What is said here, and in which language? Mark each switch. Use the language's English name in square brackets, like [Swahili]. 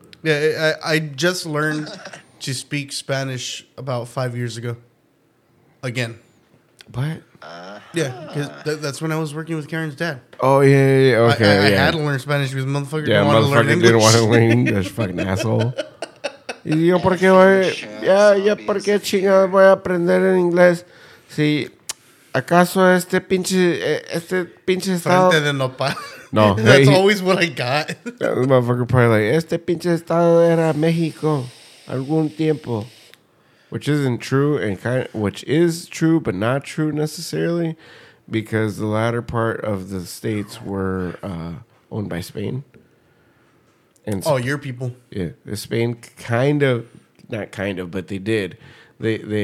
[English] Yeah, I just learned to speak Spanish about 5 years ago. Again. What? Yeah, because that's when I was working with Karen's dad. Oh, yeah, okay, I had to learn Spanish because motherfucker didn't want to learn English. Fucking asshole. [Spanish] Y yo, ¿por qué voy? [English] Yeah, [Spanish] yo, ¿por qué chingada voy a aprender en inglés? Sí. ¿Acaso este pinche estado? Frente de nopal. No. [English] That's always what I got. That motherfucker probably like, [Spanish] este pinche estado era México algún tiempo. [English] Which isn't true, and kind of, which is true, but not true necessarily, because the latter part of the states were owned by Spain. And so, your people. Yeah. Spain but they did. They